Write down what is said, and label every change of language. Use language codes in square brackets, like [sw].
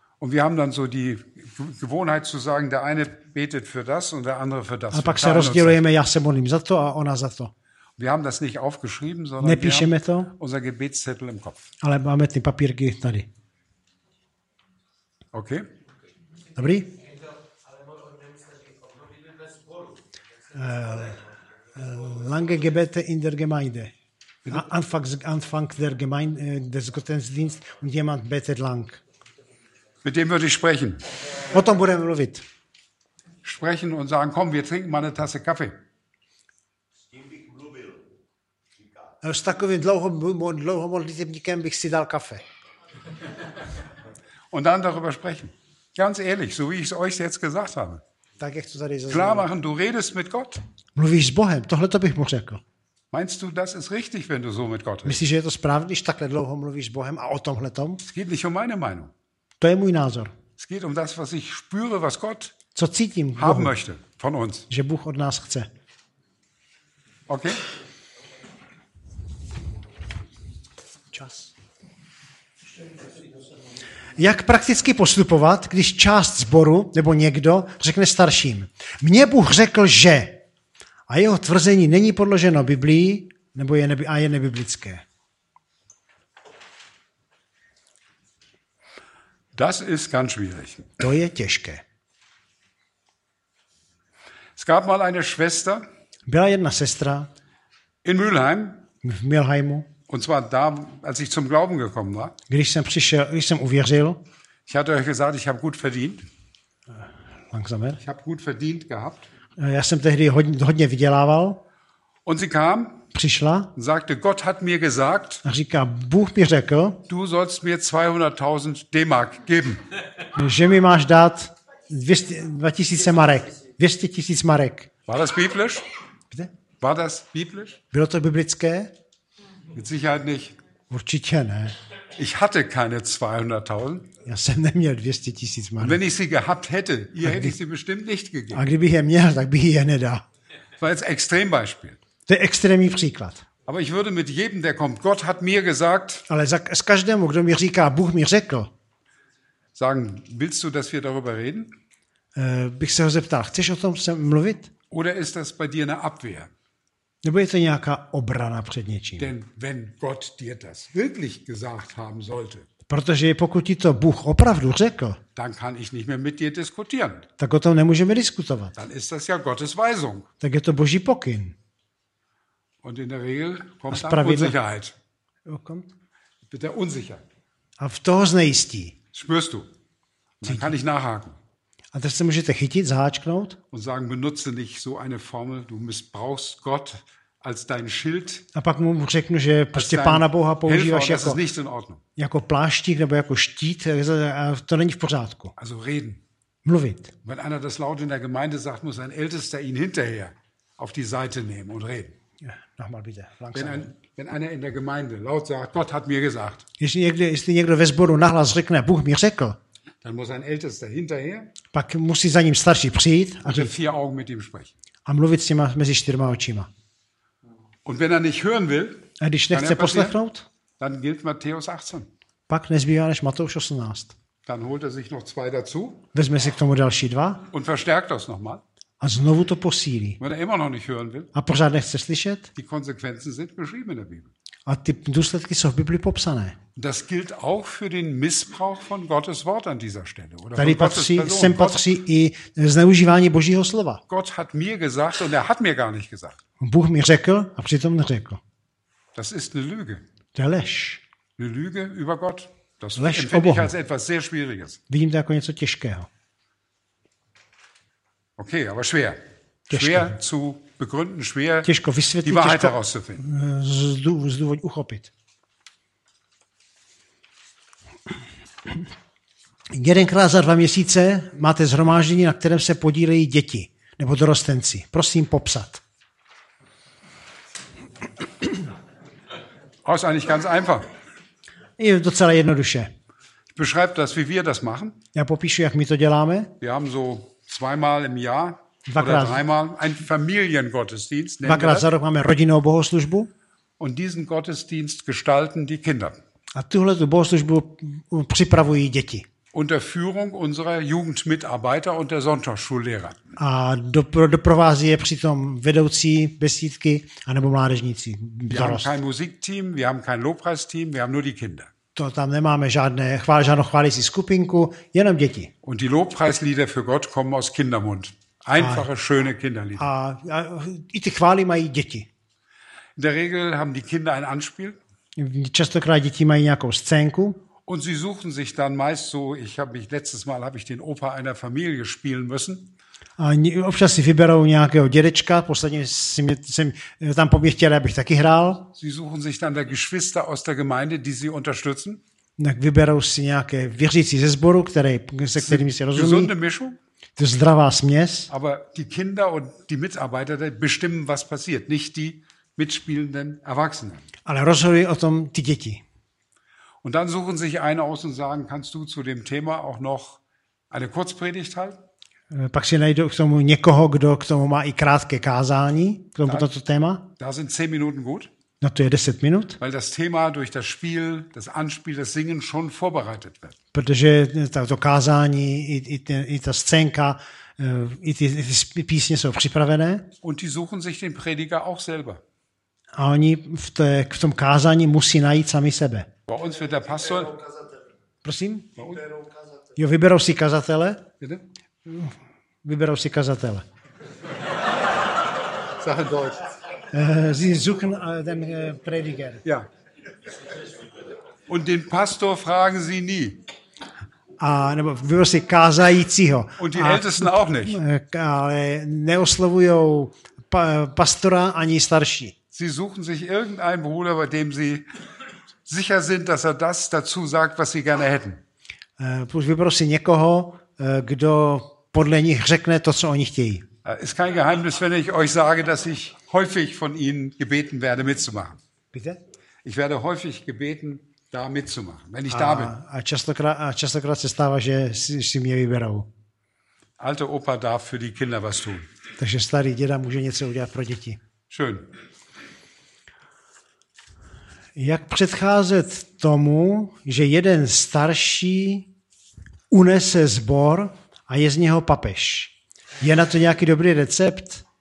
[de] Und wir haben dann so die Gewohnheit zu sagen, der eine betet für das und der andere für das. [cs] A pak se rozdělujeme, já se modlím za to a ona za to. [de] Wir haben das nicht aufgeschrieben, sondern wir haben [cs] to, [de] unser Gebetszettel im Kopf. [cs] Ale máme ty papírky tady. Okay. Dobrý. [de] Lange Gebete in der Gemeinde. Anfang der Gemeinde, des Gottesdienst und jemand betet lang. Mit dem würde ich sprechen. [cs] O tom budeme mluvit. [de] Sprechen und sagen, komm, wir trinken mal eine Tasse Kaffee. [cs] S takovým dlouhým modlitebníkem bych si dal kafe. [de] Und dann darüber sprechen. Ganz ehrlich, so wie ich es euch jetzt gesagt habe. [cs] Tak jak to tady zaznělo. [de] Klar machen, du redest mit Gott. [cs] Mluvíš s Bohem, tohle to bych mohl řekl. [de] Meinst du, das ist richtig, wenn du so mit Gott redest? [cs] Myslíš, že je to správně, když takhle dlouho mluvíš s Bohem a o tomhle tom? [de] Es geht nicht um meine Meinung. [cs] To je můj názor. [de] Es geht um das, was ich spüre, was Gott [cs] co cítím, [de] haben Bohu, möchte von uns. [cs] Že Bůh od nás chce. Okay. Čas. Jak prakticky postupovat, když část sboru nebo někdo řekne starším, mně Bůh řekl, že a jeho tvrzení není podloženo Biblií nebo je nebiblické. [de] Das ist ganz schwierig. [cs] To je těžké. [de] Es gab mal eine Schwester, [cs] byla jedna sestra [de] in Mülheim, [cs] v Mülheimu. [de] Und zwar da, als ich zum Glauben gekommen war. [cs] Když jsem přišel, když jsem uvěřil. [de] Ich hatte euch gesagt, ich habe gut verdient. Langsam. Ich habe gut verdient gehabt. [cs] Já jsem tehdy hodně vydělával. [de] Und sie kam. [cs] Přišla. [de] Und sagte, Gott hat mir gesagt. [cs] A říká, Bůh mi řekl. [de] Du sollst mir 200.000 D-Mark geben. [cs] Že mi máš dát 2000 marek. 200 000 marek. [de] War das biblisch? Bitte? War das biblisch? [cs] Bylo to biblické? [de] Mit Sicherheit nicht. [cs] Určitě ne. [de] Ich hatte keine 200.000. [cs] Já jsem neměl 200 000 marek. [de] Wenn ich sie gehabt hätte, ihr hätte ich sie bestimmt nicht gegeben. [cs] A kdybych je měl, tak bych je nedal. [de] Das war jetzt Extrembeispiel. [cs] To je extrémní příklad. [de] Aber ich würde mit jedem, der kommt, Gott hat mir gesagt. [cs] Ale s každému, kdo mi říká, Bůh mi řekl. [de] Sagen, willst du, dass wir darüber reden? [cs] Bych se ho zeptal, chceš o tom mluvit? [de] Oder ist das bei dir eine Abwehr? [cs] Nebo je to nějaká obrana před něčím? [de] Denn wenn Gott dir das wirklich gesagt haben sollte. [cs] Protože pokud ti to Bůh opravdu řekl, [de] dann kann ich nicht mehr mit dir diskutieren. [cs] Tak o tom nemůžeme diskutovat. [de] Dann ist das ja Gottes Weisung. [cs] Tak je to Boží pokyn. [de] Und in der Regel kommt Unsicherheit. Bitte Unsicherheit. [cs] A v toho znejistí. [de] Spürst du? Dann kann ich nachhaken. [cs] A teď se můžete chytit, zaháčknout. [de] Und sagen, benutze nicht so eine Formel, du missbrauchst Gott als dein Schild. [cs] A pak mu řeknu, že prostě Pána Boha používáš jako pláštík nebo jako štít, to není v pořádku. [de] Also reden. [cs] Mluvit. [de] Wenn einer das laut in der Gemeinde sagt, muss ein Ältester ihn hinterher auf die Seite nehmen und reden. Ja, nochmal bitte, langsam. Wenn einer in der Gemeinde laut sagt, Gott hat mir gesagt. [cs] Jestli někdo ve sboru nahlas řekne, Bůh mi řekl. [de] Dann muss ein Ältester hinterher. [cs] Pak musí za ním starší přijít [de] a mit vier Augen mit ihm sprechen. [cs] A mluvit s ním mezi čtyřma očima. [de] Und wenn er nicht hören will, [cs] a když nechce poslechnout, [de] dann gilt Matthäus 18. [cs] Pak nezbývá než Matouš 18. [de] Dann holt er sich noch zwei dazu. [cs] Vezme si k tomu další dva. [de] Und verstärkt das nochmal. [cs] A znovu to posílí. [de] Wenn er immer noch nicht hören will, [cs] a pořád nechce slyšet. [de] Die Konsequenzen sind beschrieben in der Bibel. [cs] A ty důsledky jsou v Bibli popsané. [de] Das gilt auch für den Missbrauch von Gottes Wort an dieser Stelle [cs] oder tady patří, sem patří i zneužívání Božího slova. [de] Gott hat mir gesagt und er hat mir gar nicht gesagt. [cs] Bůh mi řekl a přitom neřekl. [de] Das ist eine Lüge. [cs] Der Lež. [de] Eine Lüge über Gott. Das [cs] Lež o Bohu. [de] Als etwas sehr schwieriges. [cs] Vidím to jako něco těžkého. [de] Okay, aber schwer. [cs] Těžké. [de] Schwer zu begründen, schwer [cs] těžko vysvětlit, [de] die Wahrheit herauszufinden. [cs] Zdůvod uchopit. Jedenkrát za dva měsíce máte zhromáždění, na kterém se podílejí děti nebo dorostenci. Prosím popsat. [de] Das ist eigentlich ganz einfach. [cs] Je docela jednoduše. [de] Ich beschreibe das, wie wir das machen. [cs] Já popíšu, jak my to děláme. [de] Wir haben so zweimal im Jahr [cs] dvakrát, [de] oder dreimal einen Familiengottesdienst. [cs] Dvakrát za rok máme rodinnou bohoslužbu. [de] Und diesen Gottesdienst gestalten die Kinder. [cs] A tuhle tu bohoslužbu připravují děti. [de] Unter Führung unserer Jugendmitarbeiter und der Sonntagsschullehrer. [cs] A doprovází je přitom vedoucí besídky anebo mládežníci. [de] Wir haben kein Musikteam, wir haben kein Lobpreisteam, wir haben nur die Kinder. [cs] To tam nemáme žádnou chválící skupinku, jenom děti. [de] Und die Lobpreislieder für Gott kommen aus Kindermund. Einfache, schöne Kinderlieder. [cs] A i ty chvály mají děti. [de] In der Regel haben die Kinder ein Anspiel. [cs] Častokrát děti mají nějakou scénku. [de] Und sie suchen sich dann meist so, ich habe mich letztes Mal habe ich den Opa einer Familie spielen müssen. [cs] A občas si vyberou nějakého dědečka, posledně jsem tam po mě chtěl, abych taky hrál. [de] Sie suchen sich dann der Geschwister aus der Gemeinde, die sie unterstützen. [cs] Tak vyberou si nějaké věřící ze sboru, kterými si rozumí. [de] Gesunde Mischung. [cs] To je zdravá směs. [de] Aber die Kinder und die Mitarbeiter bestimmen, was passiert, nicht die mitspielenden Erwachsenen. [cs] Ale rozhodují o tom ty děti. [de] Und dann suchen sich eine aus und sagen, kannst du zu dem Thema auch noch eine Kurzpredigt halten? [cs] Pak si najdou k tomu někoho, kdo k tomu má i krátké kázání, k tomu toto téma. [de] Da sind 10 Minuten gut. [cs] Na to je 10 minut. [de] Weil das Thema durch das Spiel, das Anspiel, das Singen schon vorbereitet wird. [cs] Protože to kázání, i ta scénka, i ty písně jsou připravené. [de] Und die suchen sich den Prediger auch selber. [cs] A oni v tom kázání musí najít sami sebe. [de] Bei uns wird der Pastor... [cs] Prosím? Jo, vyberou si kazatele. Vyberou si kazatele. [de] Sachen Deutsch. Sie suchen den Prediger. Ja. Und den Pastor fragen Sie nie. [cs] A nebo vyberou si kázajícího. [de] Und die Ältesten auch nicht. [cs] Ale neoslovujou pastora ani starší. [de] Sie suchen sich irgendeinen Bruder, bei dem Sie sicher sind, dass er das dazu sagt, was Sie gerne hätten. [cs] Vyberou si někoho, kdo podle nich řekne to, co oni chtějí. [de] Ist kein Geheimnis, wenn ich euch sage, dass ich häufig von Ihnen gebeten werde, mitzumachen. Bitte? Ich werde häufig gebeten, da mitzumachen, wenn ich da bin. [cs] A častokrát se stává, že si mě vyberou. [de] Alter Opa darf für die Kinder was tun. [cs] Takže starý děda může něco udělat pro děti. [de] Schön. [cs] Jak předcházet tomu, že jeden starší unese sbor a je z něho papež? Je na to nějaký dobrý recept?